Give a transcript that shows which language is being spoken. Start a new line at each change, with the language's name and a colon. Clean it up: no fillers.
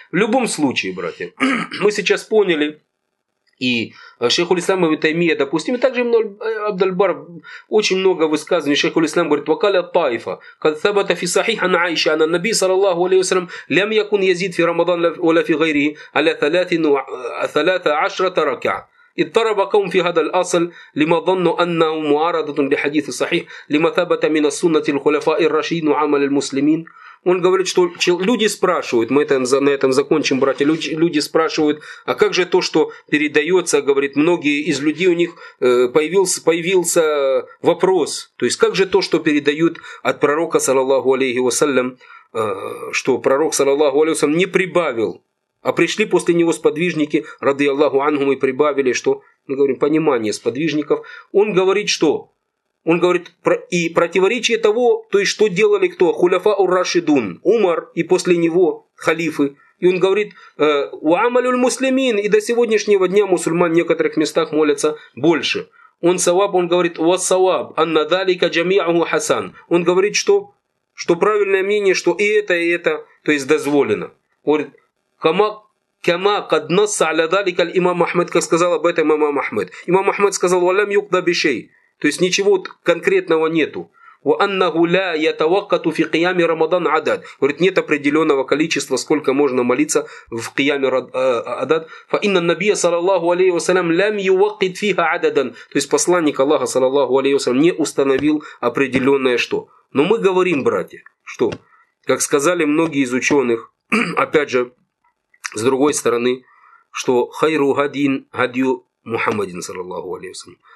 Russian: В любом случае, братья, мы сейчас поняли, и шейх Улислам ибн Таймия, допустим, и также ибн Абдальбар, очень много высказываний, шейх Улислам говорит,
Arabic: «Вакаля Таифа, кад сабата фи сахиха на Айша, ана Наби, салаллаху алейху салям, лям якун язид фи Рамадан, ла фи гайрихи, аля талата ашрата ракиа». اضطرب قوم في هذا الأصل لما ظنوا أنه معارضة لحديث صحيح لما ثبت من السنة الخلفاء الرشيدين وعمل المسلمين.
Russian: Он говорит, что люди спрашивают, мы это, на этом закончим, братья, люди спрашивают, а как же то, что передается, говорит, многие из людей, у них появился вопрос, то есть как же то, что передают от пророка, саллаллаху алейхи вассалям, что пророк, саллаллаху алейхи вассалям, не прибавил. А пришли после него сподвижники, рады Аллаху Ангум, и прибавили, что, мы говорим, понимание сподвижников. Он говорит, что? Он говорит, и противоречие того, то есть, что делали кто? Хуляфа ур-Рашидун, Умар, и после него халифы. И он говорит,
Arabic: «Уамалюль муслимин»,
Russian: и до сегодняшнего дня мусульман в некоторых местах молятся больше.
Arabic: Он саваб,
Russian: он говорит,
Arabic: «Уассаваб, анна далика джамиаху хасан».
Russian: Он говорит, что правильное мнение, что и это, то есть, дозволено. Говорит,
Arabic: كما قد نص على ذلك الإمام أحمد
Russian: كما сказал об этом имам Ахмед. Имам Ахмед сказал
Arabic: ولم يقضى بشيء.
Russian: То есть ничего конкретного нету.
Arabic: وأنه لا يتوقت في قيام رمضان عدد.
Russian: Говорит, нет определенного количества, сколько можно молиться в
Arabic: قيام عدد. فإن النبي صلى الله عليه وسلم لم يوقت فيها عددا.
Russian: То есть посланник Аллаха صلى الله عليه وسلم не установил определенное что. Но мы говорим, братья, что, как сказали многие из ученых, опять же, с другой стороны, что
Arabic: хайру гадин гадью Мухаммадин,
Russian: саллаллаху алейхи вассалям.